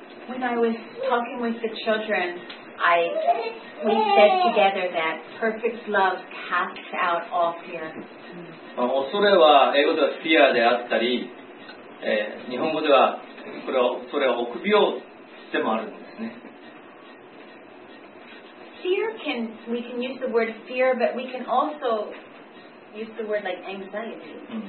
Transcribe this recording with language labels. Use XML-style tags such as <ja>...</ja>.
<en>When I was talking with the childrenWe said together that perfect love casts out all fear.</en> <ja>恐れは英語では fear であったり、日本語ではこれはそれは臆病でもあるんですね。</ja> <en>Fear can, we can use the word fear, but we can also use the word like anxiety.</en>